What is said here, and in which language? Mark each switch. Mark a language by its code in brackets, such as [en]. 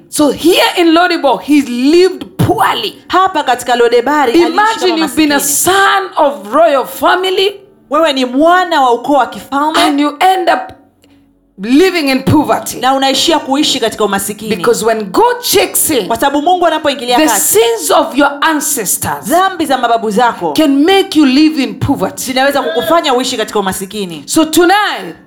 [en] So here in Lodibo he lived poorly. [sw] Hapa katika Lodebari aliishi kama maskini. [en] Imagine you've been a son of royal family. [sw] Wewe ni mwana wa ukoo wa kifalme. [en] And you end up living in poverty. [sw] Na unaishia kuishi katika umasikini. [en] Because when God checks in. [sw] Kwa sababu Mungu anapoingilia kati. [en] The sins of your ancestors. [sw] Dhambi za mababu zako. [en] Can make you live in poverty. [sw] Zinaweza kukufanya uishi katika umasikini. [en] So tonight.